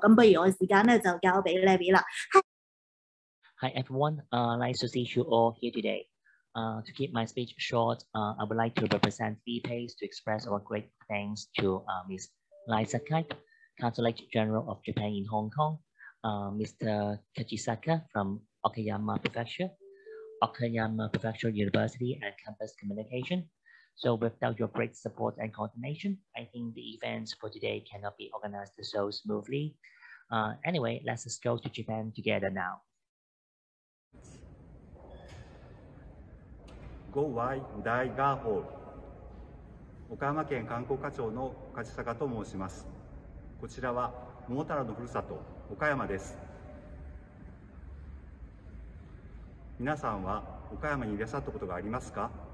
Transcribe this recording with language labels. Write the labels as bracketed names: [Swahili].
[Cantonese] 咁不如我时间咧就交俾 Levi 啦。 [English] Hi everyone, nice to see you all here today. To keep my speech short, I would like to represent VPACE to express our great thanks to Ms. Lai Sakai, Consulate General of Japan in Hong Kong, Mr. Kajisaka from Okayama Prefecture, Okayama Prefecture University and Campus Communication. So without your great support and coordination, I think the events for today cannot be organized so smoothly. Anyway, let's just go to Japan together now. [Japanese] ご大学岡山県観光課長の勝坂と申します。こちらは桃太郎のふるさと岡山です。皆さんは岡山にいらっしゃったことがありますか？